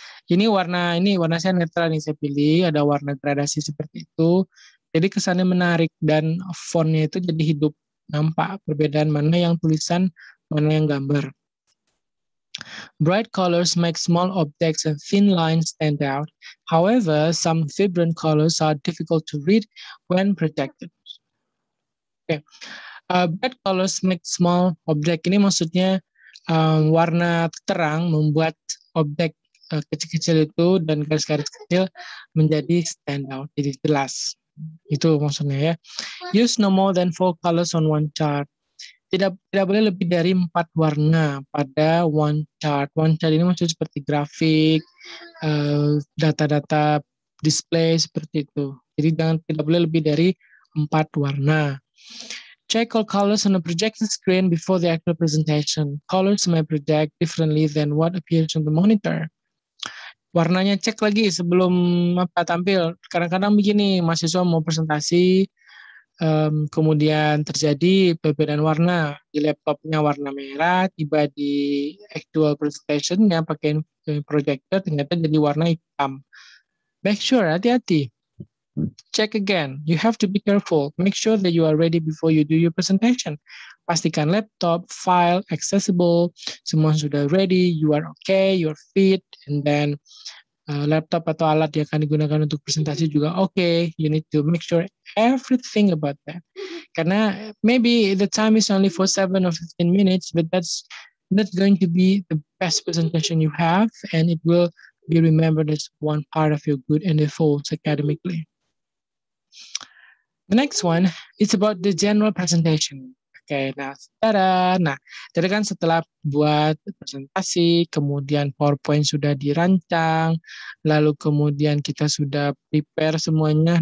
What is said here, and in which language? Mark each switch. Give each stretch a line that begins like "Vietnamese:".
Indonesian: Ini warna saya netral nih, saya pilih ada warna gradasi seperti itu. Jadi kesannya menarik dan fontnya itu jadi hidup, nampak perbedaan mana yang tulisan, mana yang gambar.
English: Bright colors make small objects and thin lines stand out. However, some vibrant colors are difficult to read when projected.
Indonesian: Okay.
English: Bright colors make small object.
Indonesian: Ini maksudnya warna terang membuat objek kecil-kecil itu dan garis-garis kecil menjadi
English: stand out,
Indonesian: jadi jelas. Itu maksudnya ya.
English: Use no more than 4 colors on one chart.
Indonesian: Tidak boleh lebih dari 4 warna pada
English: one chart.
Indonesian: One chart ini maksudnya seperti grafik, data-data display seperti itu. Jadi tidak boleh lebih dari 4 warna.
English: Check all colors on a projection screen before the actual presentation. Colors may project differently than what appears on the monitor.
Indonesian: Warnanya cek lagi sebelum apa tampil. Kadang-kadang begini, mahasiswa mau presentasi, kemudian terjadi perbedaan warna. Di laptopnya warna merah, tiba di actual presentationnya pakai projector, ternyata jadi warna hitam.
English: Make sure,
Indonesian: hati-hati.
English: Check again. You have to be careful. Make sure that you are ready before you do your presentation.
Indonesian: Pastikan
English: laptop, file, accessible,
Indonesian: semua sudah
English: ready, you are okay, you're fit, and then
Indonesian: laptop atau alat yang akan digunakan untuk presentasi juga okay.
English: You need to make sure everything about that.
Indonesian: Karena
English: maybe the time is only for 7 or 15 minutes, but that's not going to be the best presentation you have, and it will be remembered as one part of your good and defaults academically. The next one is about the general presentation.
Indonesian: Okay, nah, jadi kan setelah buat presentasi, kemudian PowerPoint sudah dirancang, lalu kemudian kita sudah prepare semuanya.